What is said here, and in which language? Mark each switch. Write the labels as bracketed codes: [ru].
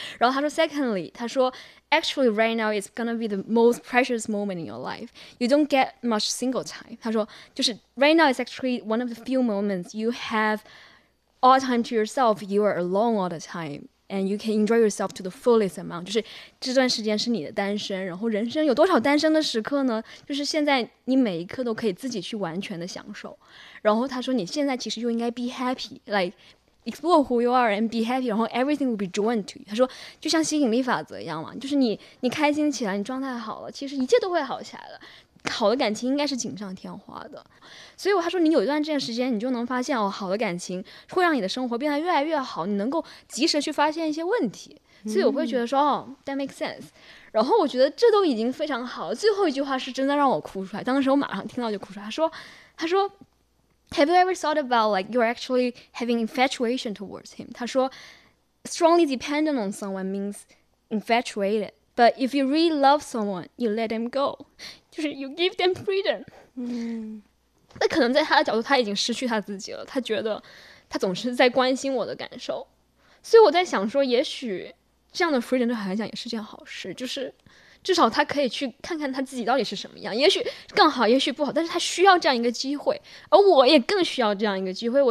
[zh] 然后他说 [en] secondly, 他说 actually right now it's gonna be the most precious moment in your life. You don't get much single time. [zh] 他说就是 [en] right now is actually one of the few moments you have all time to yourself. You are alone all the time. And you can enjoy yourself to the fullest amount. [zh] 就是这段时间是你的单身，然后人生有多少单身的时刻呢？就是现在你每一刻都可以自己去完全的享受。然后他说你现在其实就应该 [en] be happy, like explore who you are and be happy, 然后 everything will be drawn to you. [zh] 他说就像吸引力法则一样嘛，就是你开心起来，你状态好了，其实一切都会好起来的。好的感情应该是锦上添花的，所以他说你有一段这样时间，你就能发现哦，好的感情会让你的生活变得越来越好，你能够及时去发现一些问题，所以我会觉得说哦 [en] that makes sense, [zh] 然后我觉得这都已经非常好。最后一句话是真的让我哭出来，当时我马上听到就哭出来。他说 [en] Have you ever thought about like you're actually having infatuation towards him? 他说 strongly dependent on someone means infatuated, but if you really love someone, you let them go. [zh] 就是 [en] you give them freedom, [zh] 那可能在他的角度他已经失去他自己了，他觉得他总是在关心我的感受，所以我在想说也许这样的 freedom 对他来讲也是件好事，就是至少他可以去看看他自己到底是什么样，也许更好也许不好，但是他需要这样一个机会，而我也更需要这样一个机会。